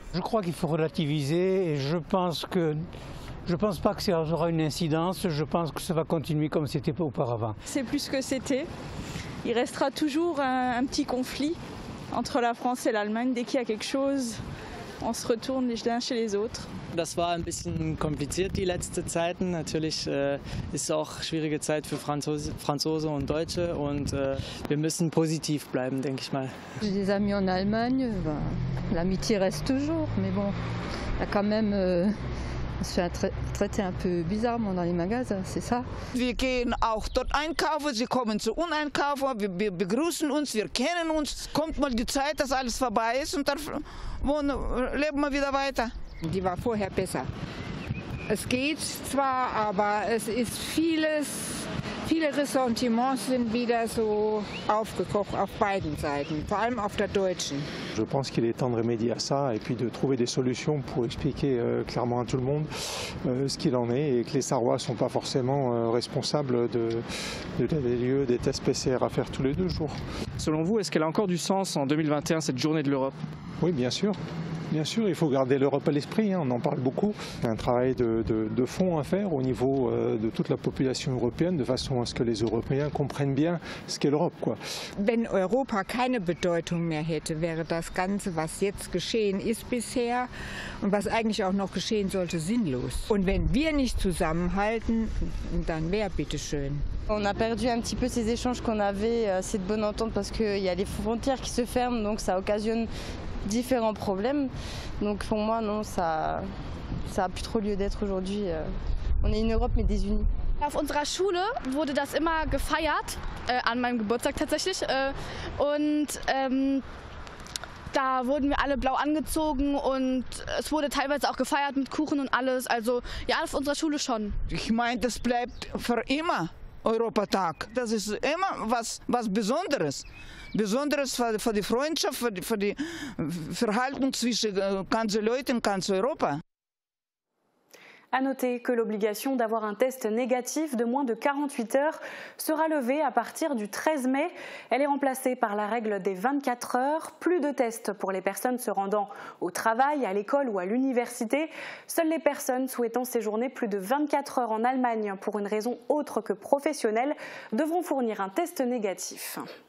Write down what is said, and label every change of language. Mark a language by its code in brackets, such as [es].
[fr] Je crois qu'il faut relativiser et je pense pas que ça aura une incidence. Je pense que ça va continuer comme c'était auparavant. C'est plus ce que c'était. Il restera toujours un petit conflit entre la France et l'Allemagne. Dès qu'il y a quelque chose, on se retourne les uns chez les autres. [de] Das war ein bisschen kompliziert die letzten Zeiten. Natürlich ist auch schwierige Zeit für Franzosen und Deutsche und wir müssen positiv bleiben, denke ich mal. [fr] J'ai des amis en Allemagne, bah, l'amitié reste toujours, mais bon, il y a quand même se fait traiter un peu bizarrement dans les magasins, c'est ça. [de] Wir gehen auch dort einkaufen, sie kommen zu uns einkaufen, wir begrüßen uns, wir kennen uns. Kommt mal die Zeit, dass alles vorbei ist und dann leben wir wieder weiter. Die war vorher besser. Es geht zwar, aber es ist vieles, viele Ressentiments sind wieder so aufgekocht auf beiden Seiten, vor allem auf der deutschen. [fr] Je pense qu'il est temps de remédier à ça et puis de trouver des solutions pour expliquer clairement à tout le monde ce qu'il en est et que les Sarrois ne sont pas forcément responsables des lieux des tests PCR à faire tous les deux jours. Selon vous, est-ce qu'elle a encore du sens en 2021, cette journée de l'Europe? Oui, bien sûr. Bien sûr, il faut garder l'Europe à l'esprit, hein, on en parle beaucoup. Il y a un travail de fond à faire au niveau de toute la population européenne, de façon à ce que les Européens comprennent bien ce qu'est l'Europe, quoi. [de] Wenn Europa keine Bedeutung mehr hätte, wäre das Ganze, was jetzt geschehen ist bisher und was eigentlich auch noch geschehen sollte, sinnlos. Und wenn wir nicht zusammenhalten, dann wer, bitteschön. [fr] On a perdu un petit peu ces échanges qu'on avait, cette bonne entente, parce qu'il y a les frontières qui se ferment, donc ça occasionne différents problèmes. Donc pour moi, non, ça n'a plus trop lieu d'être aujourd'hui. On est une Europe, mais désunie. [de] Auf unserer Schule wurde das immer gefeiert, an meinem Geburtstag tatsächlich. Und da wurden wir alle blau angezogen und es wurde teilweise auch gefeiert mit Kuchen und alles. Also ja, auf unserer Schule schon. Ich meine, das bleibt für immer. Europatag. Das ist immer was Besonderes. Besonderes für die Freundschaft, für die Verhalten zwischen ganz Leuten, ganz Europa. [fr] À noter que l'obligation d'avoir un test négatif de moins de 48 heures sera levée à partir du 13 mai. Elle est remplacée par la règle des 24 heures. Plus de tests pour les personnes se rendant au travail, à l'école ou à l'université. Seules les personnes souhaitant séjourner plus de 24 heures en Allemagne pour une raison autre que professionnelle devront fournir un test négatif.